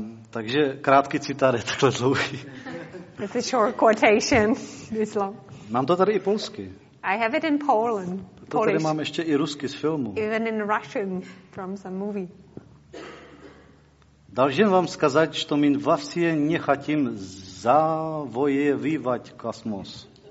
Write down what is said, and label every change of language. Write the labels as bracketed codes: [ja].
[cs] Takže krátký citát je takhle dlouhý. [en] It's a short quotation. This long. [cs] Mám to tady i polsky. [en] I have it in Poland. [cs] To tady mám ještě i rusky z filmu. [en] Even in Russian from some movie. [ru] Должен вам сказать, что мы во все не хотим завоевывать космос.